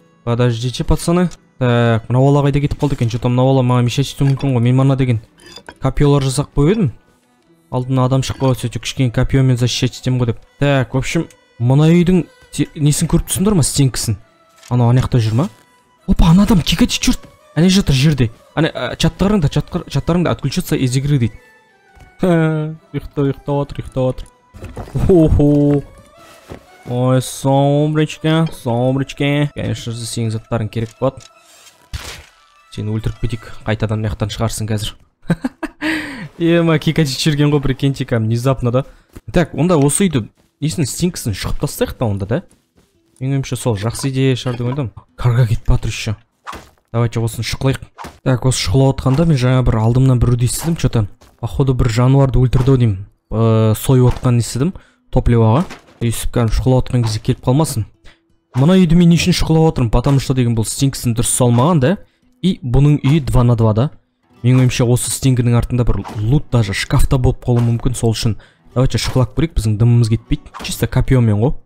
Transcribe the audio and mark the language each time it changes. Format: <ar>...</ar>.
<ru>Подождите, пацаны. Так,</ru> <kk>мына бала қайда кетіп қалды екен? Че-то мына бала маған мешать етуі мүмкін ғой. Мен мана деген копиялар жасап қойып едім. Алдына адам шығып қалып сөйтіп кішкене копиямен защищать етемін ғой деп.</kk> <ru>Так, в общем,</ru> <kk>мына үйдің несін көріп тұрсыңдар ма, стенкісін? Анау ана жақта жүр ма? Опа, ана адам кекетіп жүр. Әне жатыр жерде. Әне чаттарыңда, чаттарыңда</kk> <ru>отключаться из игры</ru> <kk>дейді. Ұйықтаватыр. Охо. Ой, сомбричка. Конечно же, сенің заттарың керек болады. Сені өлтіріп кетейік. Қайтадан мына жақтан шығарсың қазір. Ема, кекетіп жүрген ғой,</kk> <ru>прикиньте,</ru> <kk>кәдімгі</kk> <ru>внезапно</ru> <kk>да. Так, онда осы үйді несін стенкісін шығып тастайық та онда да. Менің ойымша сол жақсы идея шығар деп ойладым. Карга кетіп жатыр еще.</kk> <ru>Давайте</ru> <kk>осыны шұқылайық. Так, осы шұқылап отқанда мен жаңа бір алдымнан біреуді естідім че-то.</kk> <ru>Походу</ru> <kk>бір жануарды өлтірді ау деймін. Сойып отқанын естідім топливаға. Өйстіп кәдімгі шұқылап отқан кезде келіп қалмасын. Мына үйді мен не үшін шұқылап отырмын?</kk> <ru>Потому что</ru> <kk>деген бұл стенкісін дұрыс салмаған да. И бұның үйі</kk> <ru>2 на 2</ru> <kk>да. Менің ойымша осы стенкінің артында бір лут даже шкафта болып қалуы мүмкін, сол үшін</kk> <ru>давайте</ru> <kk>шұқылап көрейік, біздің дымымыз кетпейді.</kk> <ru>Чисто</ru> <kk>копиомен ғой.</kk>